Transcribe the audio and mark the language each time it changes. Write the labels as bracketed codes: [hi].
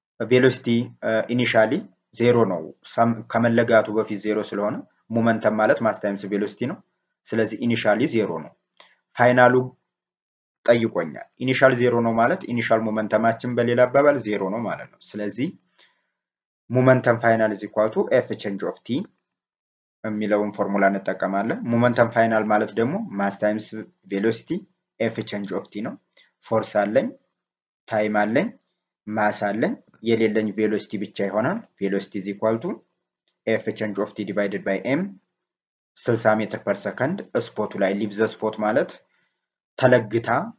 [am] ቬሎሲቲ ኢኒሻሊ ዜሮ ነው፣ ከመለጋቱ በፊት ዜሮ ስለሆነ። ሞመንተም ማለት ማስ ታይምስ ቬሎሲቲ ነው። ስለዚህ ኢኒሻሊ ዜሮ ነው። ፋይናሉ ጠይቆኛል። ኢኒሻል ዜሮ ነው ማለት ኢኒሻል ሞመንተማችን በሌላ አባባል ዜሮ ነው ማለት ነው። ስለዚህ [en] momentum final is equal to F change of T. [am] የሚለውን ፎርሙላ እንጠቀማለን [en] momentum final ማለት ደግሞ mass times velocity F change of T ነው force አለኝ time አለኝ mass አለኝ [am] የሌለኝ [en] velocity [am] ብቻ ይሆናል [en] velocity is equal to F change of T divided by m 60 meter per second spot ላይ leaves the spot [am] ማለት ተለግታ